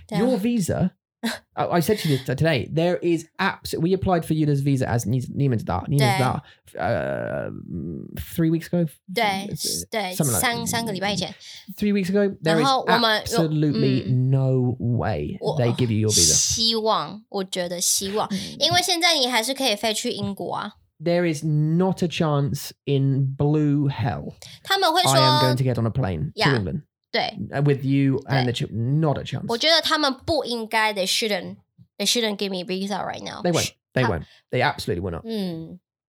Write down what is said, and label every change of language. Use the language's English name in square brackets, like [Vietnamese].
[English] Your visa, I said to you today, there is absolutely, we applied for Yuda's visa as Niemann's da, 3 weeks ago? [Chinese] 对，三个礼拜前。 [English] 3 weeks ago, there is absolutely no way they give you your visa. [Chinese] 希望，我觉得希望，因为现在你还是可以飞去英国啊。 [English] There is not a chance in blue hell [Chinese] 他们会说, [English] I am going to get on a plane to England. [Chinese] 对, [English] with you and the children, not a chance. [Chinese] 我觉得他们不应该, [English] they shouldn't give me a visa right now. They won't. They absolutely will not.